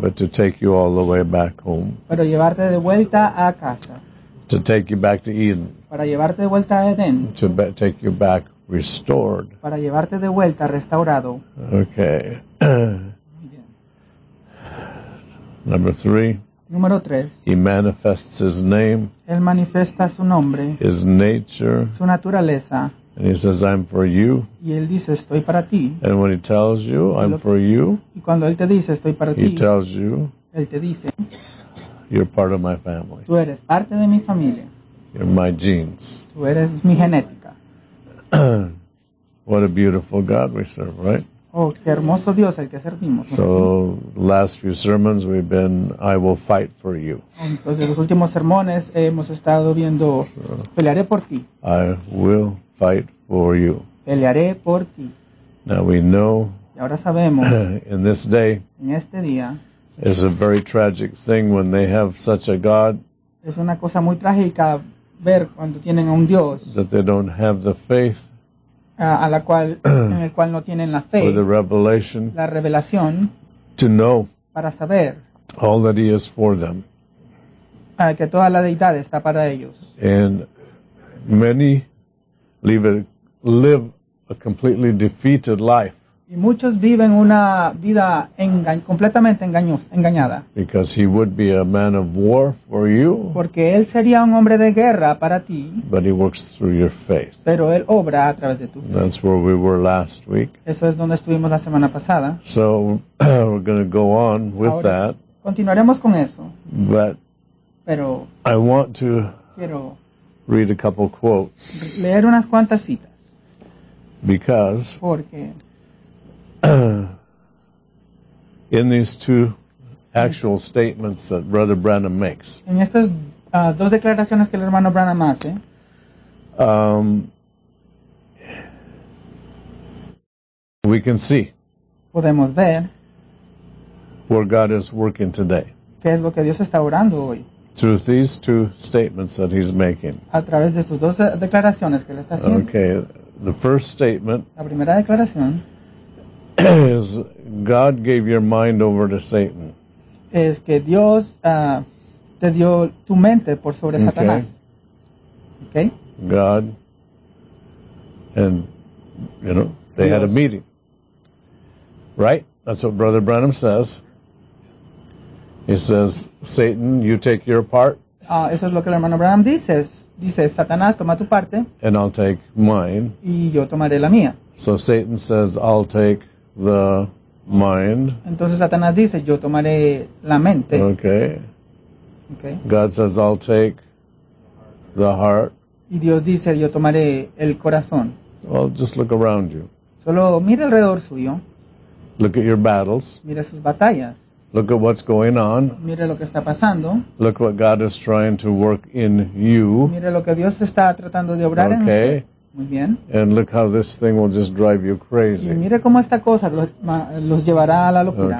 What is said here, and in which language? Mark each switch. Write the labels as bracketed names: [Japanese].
[English] But to take you all the way back home. [Spanish] Pero llevarte de vuelta a casa. [English] To take you back to Eden. [Spanish] Para llevarte de vuelta a Edén. [English] To take you back restored. [Spanish] Para llevarte de vuelta restaurado. [English] Okay. Number three. [Spanish] Número 3. [English] He manifests his name. [Spanish] Él manifiesta su nombre. [English] His nature. [Spanish] Su naturaleza. [English] And he says, I'm for you. [Spanish] Y él dice, estoy para ti. [English] And when he tells you, I'm for you. [Spanish] Y cuando él te dice, estoy para ti. [English] He tells you. [Spanish] Él te dice. [English] You're part of my family. [Spanish] Tú eres parte de mi familia. [English] You're my genes. [Spanish] Tú eres mi genética. [English] What a beautiful God we serve, right? [Spanish] Oh, qué hermoso Dios el que servimos. [English] So, last few sermons we've been, I will fight for you. [Spanish] Entonces, los últimos sermones hemos estado viendo, pelearé por ti. [English] I will fight for you. [Spanish] Pelearé por ti. [English] Now we know, [Spanish] y ahora sabemos, [English] in this day, [Spanish] en este día, [English] it's a very tragic thing when they have such a God. [Spanish] Es una cosa muy trágica ver cuando tienen a un Dios. [English] That they don't have the faith. [Spanish] A la cual, en el cual no tienen la fe. [English] Or the revelation. [Spanish] La revelación. [English] To know. [Spanish] Para saber. [English] All that he is for them. [Spanish] Que toda la deidad está para ellos. [English] And many live a completely defeated life. [Spanish] Y muchos viven una vida completamente engañada. [English] Because he would be a man of war for you. [Spanish] Porque él sería un hombre de guerra para ti. [English] But he works through your faith. [Spanish] Pero él obra a través de tu fe. [English] That's where we were last week. [Spanish] Eso es donde estuvimos la semana pasada. [English] So we're going to go on with [Spanish] ahora, [English] that. [Spanish] Continuaremos con eso. [English] But [Spanish] pero [English] I want to [Spanish] quiero [English] read a couple quotes. [Spanish] Leer unas cuantas citas. [English] Because [Spanish] porque [English] in these two actual statements that Brother Branham makes. [Spanish] En estas dos declaraciones que el hermano Branham hace. [English] We can see. [Spanish] Podemos ver. [English] Where God is working today. [Spanish] ¿Qué es lo que Dios está orando hoy? [English] Through these two statements that he's making. [Spanish] A través de estas dos declaraciones que él está haciendo. [English] Okay, the first statement. [Spanish] La primera declaración. [English] Is God gave your mind over to Satan. [Spanish] Es que Dios te dio tu mente por sobre [English] okay. [Spanish] Satanás. Okay. [English] God and, you know, they [Spanish] Dios. [English] Had a meeting. Right? That's what Brother Branham says. He says, Satan, you take your part. [Spanish] Eso es lo que el hermano Branham dice. Dice, Satanás, toma tu parte. [English] And I'll take mine. [Spanish] Y yo tomaré la mía. [English] So Satan says, I'll take the mind. [Spanish] Entonces Satanás dice, yo tomaré la mente. [English] Okay. Okay. God says, I'll take the heart. [Spanish] Y Dios dice, yo tomaré el corazón. [English] Well, just look around you. [Spanish] Solo mire alrededor suyo. [English] Look at your battles. [Spanish] Mire sus batallas. [English] Look at what's going on. [Spanish] Mire lo que está pasando. [English] Look what God is trying to work in you. [Spanish] Mire lo que Dios está tratando de obrar [English] okay. [Spanish] en usted. Muy bien. [English] And look how this thing will just drive you crazy. [Spanish] Y mire cómo esta cosa los llevará a la locura.